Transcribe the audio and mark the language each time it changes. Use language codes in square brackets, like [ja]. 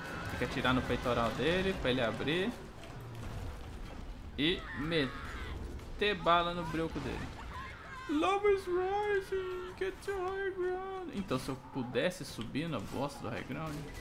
[pt] Tem que atirar no peitoral dele pra ele abrir e meter bala no brioco dele. [en] Love is rising, get to high ground. [pt] Então, se eu pudesse subir na bosta do high ground.